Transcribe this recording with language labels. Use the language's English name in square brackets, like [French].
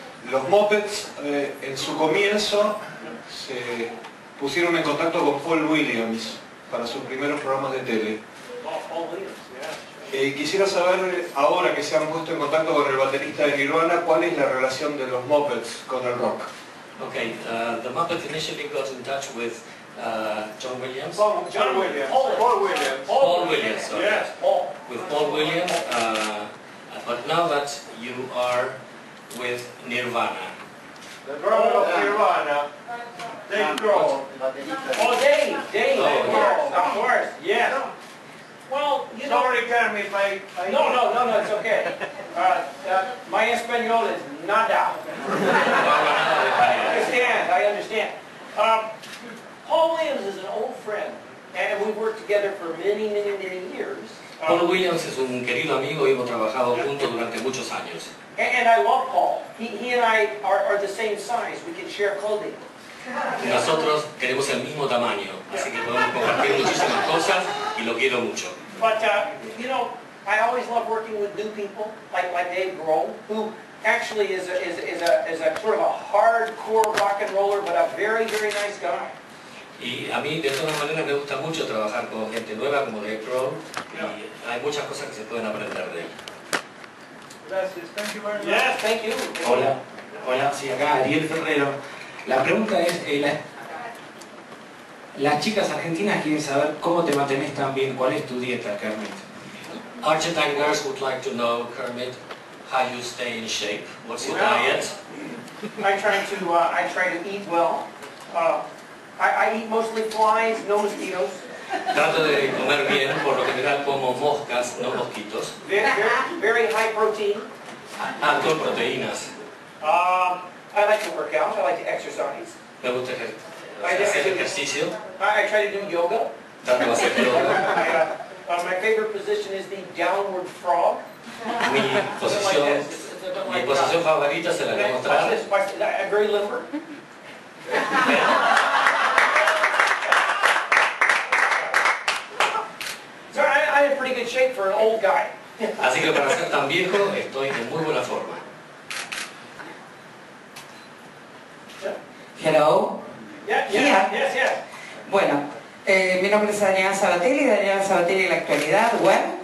[Spanish] Los Muppets, en su comienzo, se pusieron en contacto con Paul Williams para sus primeros programas de tele. Quisiera saber, ahora que se han puesto en contacto con el baterista de Nirvana, ¿cuál es la relación de los Muppets con el rock? [English] Ok, the Muppets initially got in touch with John Williams. Paul Williams. But now that you are with Nirvana. The drummer of Nirvana. Dave Grohl. Oh, Dave. Oh, of course, of course, yes. Well, you know. Sorry, Jeremy, if I... No, it's okay. My Espanol is [Spanish] nada. [English] I understand. Paul Williams is an old friend, and we've worked together for many, many, many years. [Spanish] Paul Williams es un querido amigo y hemos trabajado juntos durante muchos años. [English] And I love Paul. He and I are the same size. We can share clothing. [Spanish] Nosotros tenemos el mismo tamaño, así que podemos compartir muchísimas cosas y lo quiero mucho. [English] But you know, I always love working with new people like Dave Grohl, who actually is a sort of a hardcore rock and roller, but a very, very nice guy. [Spanish] Y a mí, de todas maneras, me gusta mucho trabajar con gente nueva como Dave Grohl. Yeah. Y hay muchas cosas que se pueden aprender de él. Gracias, [English] thank you very much. Yes, thank you. [Spanish] Hola, sí, acá Ariel Ferrero. La pregunta es, las chicas argentinas quieren saber cómo te mantienes tan bien, cuál es tu dieta, Kermit. [English] Argentine girls would like to know, Kermit, how you stay in shape, what's your diet? I try to eat well. I eat mostly flies, no mosquitoes. [Spanish] Trato de comer bien, por lo general como moscas, no mosquitos. [English] Very high protein. [Spanish] Alto en proteínas. [English] I like to work out, I like to exercise. [Spanish] Me gusta hacer ejercicio. [English] I try to do yoga. [Spanish] Trato de hacer yoga. [English] My favorite position is the downward frog. [Spanish] Mi posición favorita se la voy a mostrar. [English] I'm very limber. I'm in pretty good shape for an old guy. [Spanish] Así que para ser tan viejo, estoy en muy buena forma. [English] Hello. Yes. [Spanish] Bueno, mi nombre es Daniela Sabatelli, Daniela Sabatelli de la actualidad, web.